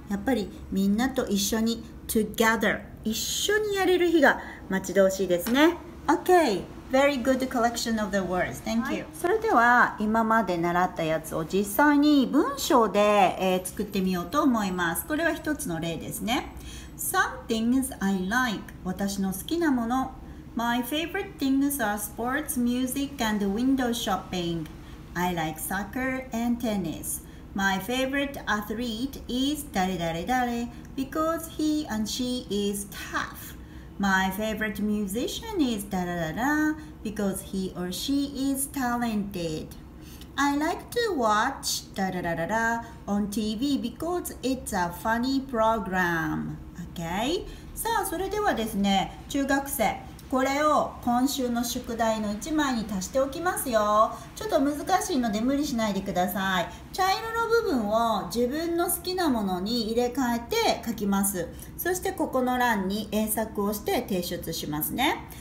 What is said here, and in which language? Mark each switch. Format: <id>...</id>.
<ja>やっぱりみんなと一緒に、together、一緒にやれる日が待ち遠しいですね。</ja> <en>OK、very good collection of the words. Thank you.、</en> <ja>はい、それでは今まで習ったやつを実際に文章で、作ってみようと思います。これは一つの例ですね。</ja> <en>Some things I like、</en> <ja>私の好きなもの。</ja> <en>My favorite things are sports, music, and window shopping. I like soccer and tennis. My favorite athlete is 誰誰誰 because he and she is tough. My favorite musician is 誰誰誰 because he or she is talented. I like to watch 誰誰誰 on TV because it's a funny program. Okay?</en> <ja>さあ、それではですね、中学生。これを今週の宿題の1枚に足しておきますよ。ちょっと難しいので無理しないでください。茶色の部分を自分の好きなものに入れ替えて書きます。そしてここの欄に英作をして提出しますね。</ja>